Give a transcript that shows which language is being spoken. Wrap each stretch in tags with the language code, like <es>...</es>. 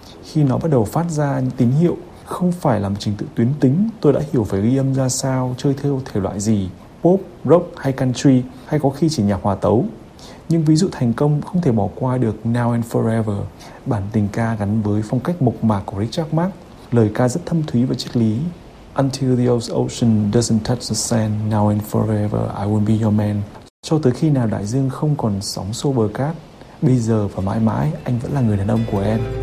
<vi>khi nó bắt đầu phát ra những tín hiệu không phải là một trình tự tuyến tính, tôi đã hiểu phải ghi âm ra sao, chơi theo thể loại gì, pop, rock hay country, hay có khi chỉ nhạc hòa tấu. Nhưng ví dụ thành công không thể bỏ qua được Now and Forever, bản tình ca gắn với phong cách mộc mạc của Richard Marx, lời ca rất thâm thúy và triết lý.</vi> <en>Until the ocean doesn't touch the sand, now and forever, I won't be your man.</en> <vi>Cho tới khi nào đại dương không còn sóng xô bờ cát, bây giờ và mãi mãi, anh vẫn là người đàn ông của em.</vi>